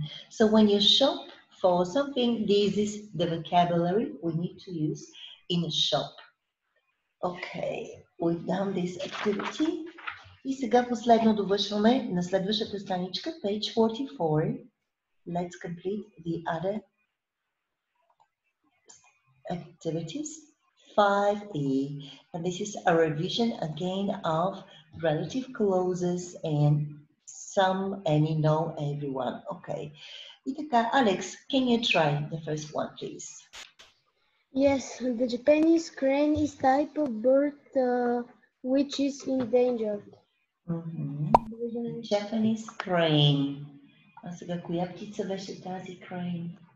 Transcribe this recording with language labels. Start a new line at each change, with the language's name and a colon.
English: So when you shop for something, this is the vocabulary we need to use in a shop. Okay, we've done this activity.
Bulgarian: И сега последно довършваме на следващата страничка,
English: page 44. Let's complete the other activities. 5E. And this is a revision again of relative clauses and some and you know everyone. Okay.
Bulgarian: И така,
English: Alex, can you try the first one, please? Yes, the Japanese crane is type of bird which is endangered. Mm-hmm. Japanese crane.
Bulgarian: А сега, коя птица беше тази crane?